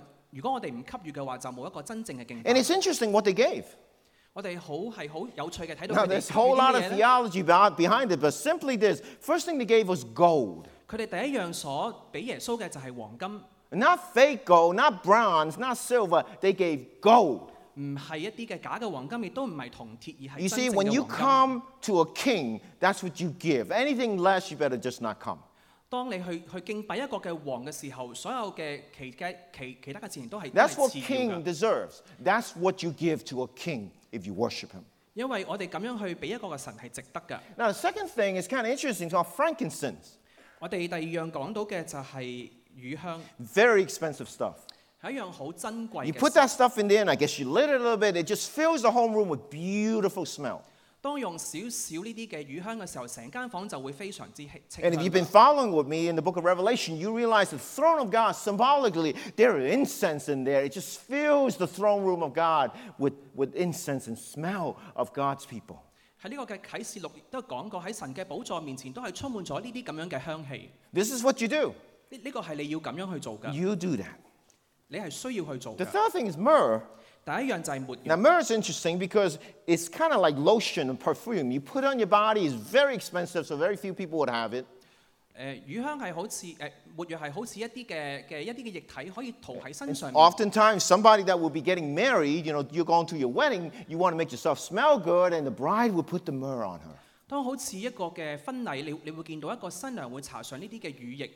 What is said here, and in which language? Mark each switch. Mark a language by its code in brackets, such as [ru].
[zh] 如果我们不给予的话就没有一个真正的敬拜。 [en] And it's interesting what they gave. Now, there's a whole lot of theology behind it, but simply this. First thing they gave was gold. Not fake gold, not bronze, not silver. They gave gold. You see, when you come to a king, that's what you give. Anything less, you better just not come. [zh] 当你去敬拜一个嘅王嘅时候，所有嘅其他嘅事情都系。 [en] That's what king deserves. That's what you give to a king if you worship him. [zh] 因为我哋咁样去俾一个嘅神系值得噶。 [en] Now the second thing is kind of interesting. It's called frankincense. [zh] 我哋第二样讲到嘅就系乳香。 [en] Very expensive stuff. [zh] 系一样好珍贵嘅。 [en] You put that stuff in there, and I guess you lit it a little bit. It just fills the whole room with beautiful smell. [zh] 當用少少呢啲嘅乳香嘅時候，成間房就會非常之清香。 [en] And if you've been following with me in the book of Revelation, you realize the throne of God symbolically there are incense in there. It just fills the throne room of God with incense and smell of God's people. [zh] 喺呢個嘅啟示錄都講過，喺神嘅寶座面前都係充滿咗呢啲咁樣嘅香氣。 [en] This is what you do. [zh] 呢個係你要咁樣去做嘅。 [en] You do that. [zh] 你係需要去做。 [en] The third thing is myrrh. [zh] 第一樣就係沒用。 [en] Now myrrh is interesting because it's kind of like lotion and perfume. You put it on your body, it's very expensive, so very few people would have it. [zh] 乳香係好似活躍係好似一啲嘅一啲嘅液體可以塗喺身上。 [en] Oftentimes, somebody that will be getting married, you know, you're going to your wedding, you want to make yourself smell good, and the bride will put the myrrh on her. [zh] 當好似一個嘅婚禮，你會見到一個新娘會搽上呢啲嘅乳液。